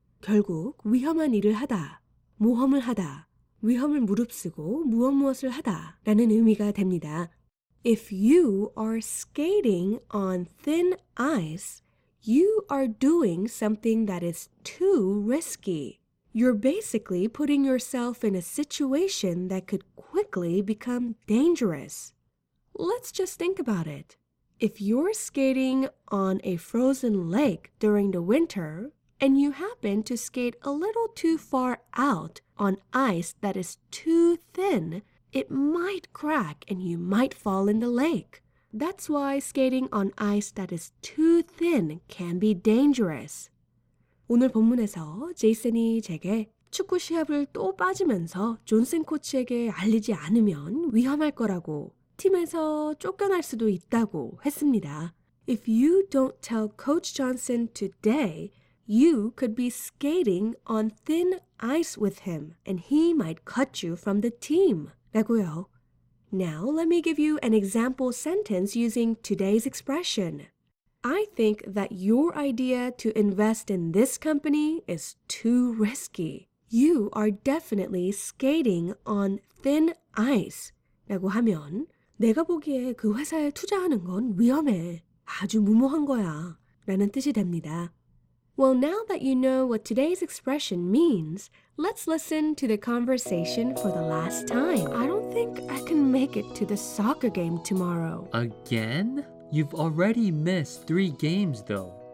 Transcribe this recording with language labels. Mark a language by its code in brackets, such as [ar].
[ko] 결국 위험한 일을 하다, 모험을 하다, 위험을 무릅쓰고 무엇무엇을 하다라는 의미가 됩니다. [en] If you are skating on thin ice, you are doing something that is too risky. You're basically putting yourself in a situation that could quickly quickly become dangerous. Let's just think about it. If you're skating on a frozen lake during the winter, and you happen to skate a little too far out on ice that is too thin, it might crack and you might fall in the lake. That's why skating on ice that is too thin can be dangerous. [ko] 오늘 본문에서 제이슨이 제게 축구 시합을 또 빠지면서 존슨 코치에게 알리지 않으면 위험할 거라고 팀에서 쫓겨날 수도 있다고 했습니다. [en] If you don't tell Coach Johnson today, you could be skating on thin ice with him and he might cut you from the team. [ko] 라고요. [en] Now let me give you an example sentence using today's expression. I think that your idea to invest in this company is too risky. You are definitely skating on thin ice. [ko] 라고 하면 내가 보기에 그 회사에 투자하는 건 위험해. 아주 무모한 거야. 라는 뜻이 됩니다. [en] Well, now that you know what today's expression means, let's listen to the conversation for the last time. I don't think I can make it to the soccer game tomorrow. Again? You've already missed 3 games, though.